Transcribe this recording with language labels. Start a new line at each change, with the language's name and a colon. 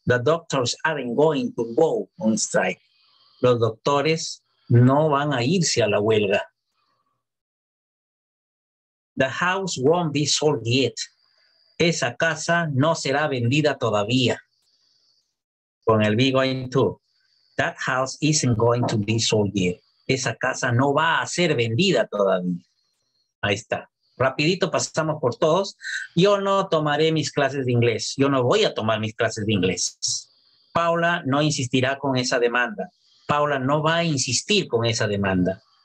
English: The doctors aren't going to go on strike.
Spanish: Los doctores no van a irse a la huelga.
English: The house won't be sold yet.
Spanish: Esa casa no será vendida todavía. Con el be going to.
English: That house isn't going to be sold yet.
Spanish: Esa casa no va a ser vendida todavía. Ahí está. Rapidito pasamos por todos. Yo no tomaré mis clases de inglés. Yo no voy a tomar mis clases de inglés. Paula no insistirá con esa demanda. Paula no va a insistir con esa demanda.